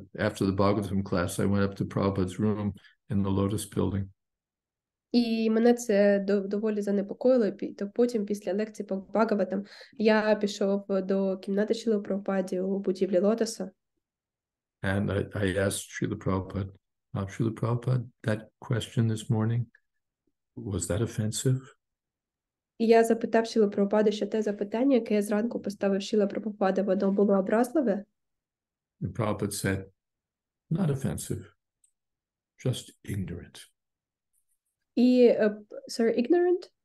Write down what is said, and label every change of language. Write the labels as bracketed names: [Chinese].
[English] After the Bhagavatam class, I went up to Prabhupada's room in the Lotus building. [Ukrainian] І мене це доволі занепокоїло. То потім, після лекції по Бхагаватам, я пішов до кімнати Шріла Прабхупади у будівлі Лотоса. [English] And I asked Srila Prabhupada, Srila Prabhupada, that question this morning, was that offensive? [Ukrainian] І я запитав Шріла Прабхупади, що те запитання, яке я зранку поставив Шріла Прабхупади, воно було образливе? [English] And Prabhupada said, not offensive, just ignorant. Ignorant?